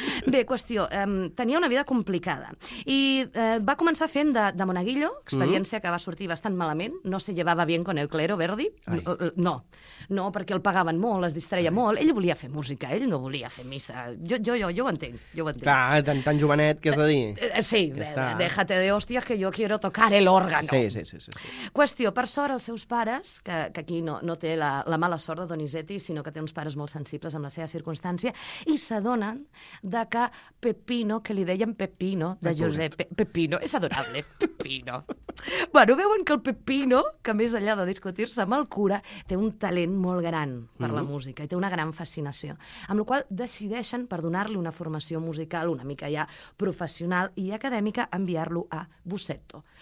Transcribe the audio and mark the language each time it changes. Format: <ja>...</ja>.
<ca>Bé, qüestió, tenia una vida complicada i va començar fent de monaguillo, experiència que va sortir bastant malament,</ca> <es>no se llevava bien con el clero Verdi,</es> <ca>no, perquè el pagaven molt, es distreia molt, ell volia fer música, ell no volia fer missa, jo ho entenc, Clar, tan jovenet, què has de dir?</ca> <es>Sí, déjate de hostias que yo quiero tocar el órgano. Sí.</es> <ca>Qüestió, per sort els seus pares, que aquí no té la mala sort de Donizetti, sinó que té uns pares molt sensibles amb la seva circumstància, i s'adonen de que Pepino, que li deien Pepino, de Giuseppe, Pepino, és adorable, Pepino. Bueno, veuen que el Pepino, que més enllà de discutir-se amb el cura, té un talent molt gran per la música i té una gran fascinació, amb la qual decideixen, per donar-li una formació musical una mica ja professional i acadèmica, enviar-lo a Busseto.</ca>